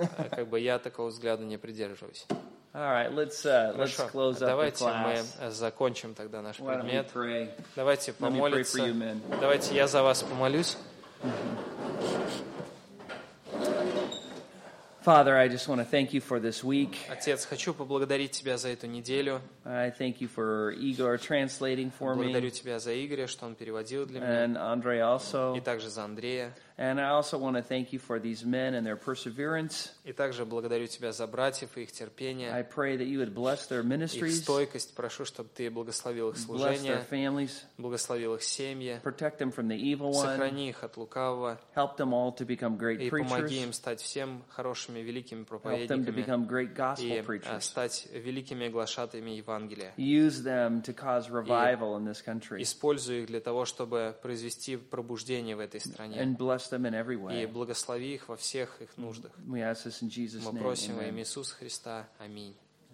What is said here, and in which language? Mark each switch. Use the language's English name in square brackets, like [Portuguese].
[Russian] Как бы я такого взгляда не придерживаюсь. [English] All right, let's close up the class. [Russian] Давайте мы закончим тогда наш предмет. [English] Why don't we pray? [Russian] Давайте помолимся. [English] Let me pray for you, men. [Russian] Давайте я за вас помолюсь. [English] Father, I just want to thank you for this week. [Russian] Отец, хочу поблагодарить тебя за эту неделю. [English] I thank you for Igor translating for me. [Russian] Благодарю тебя за Игоря, что он переводил для меня. [English] And Andre also. [Russian] И также за Андрея. [English] And I also want to thank you for these men and their perseverance. [Russian] И также благодарю тебя за братьев и их терпение. [English] I pray that you would bless their ministries. [Russian] Их стойкость, прошу, чтобы ты благословил их служение. [English] Bless their families. [Russian] Благословил их семьи. [English] Protect them from the evil one. [Russian] Сохрани их от лукавого. [English] Help them all to become great [Russian] и [English] preachers. [Russian] И помоги им стать всем хорошими великими проповедниками. [English] Help them to become great gospel preachers. [Russian] И стать великими глашатаями Евангелия. [English] Use them to cause revival in this country. [Russian] Используй их для того, чтобы произвести пробуждение в этой стране. [English] And bless them in every way. [Russian] И благослови их во всех их нуждах. [English] We ask this in Jesus' name. [Russian] Мы просим во имя Иисуса Христа. Аминь.